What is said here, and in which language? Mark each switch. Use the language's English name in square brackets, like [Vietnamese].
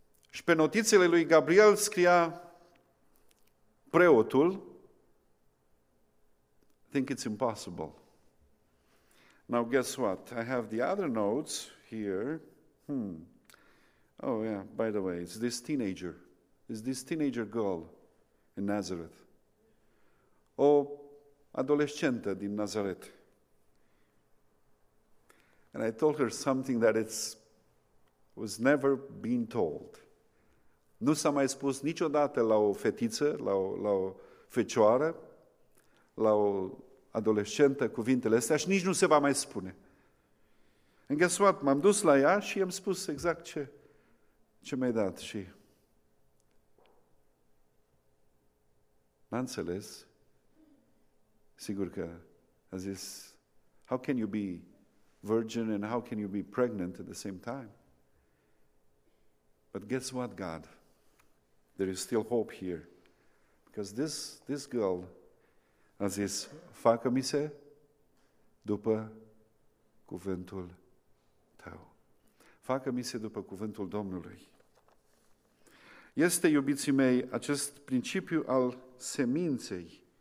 [Romanian] Și pe notițele lui Gabriel scria preotul, [English] I think it's impossible. Now guess what? I have the other notes here. Oh yeah, by the way, it's this teenager girl in Nazareth. [Romanian] O adolescentă din Nazaret. [English] And I told her something that was never been told. [Romanian] Nu s-a mai spus niciodată la o fetiță, la o fecioară, la o adolescentă cuvintele astea și nici nu se va mai spune. [English] And guess what? [Romanian] M-am dus la ea și i-am spus exact ce mi-ai dat și n-a înțeles. Sigur că a zis, [English] how can you be virgin and how can you be pregnant at the same time? But guess what, God? There is still hope here. Because this girl [Romanian] a zis, facă-mi-se după cuvântul tău. Facă-mi-se după cuvântul Domnului. Este, iubiții mei, acest principiu al seminței.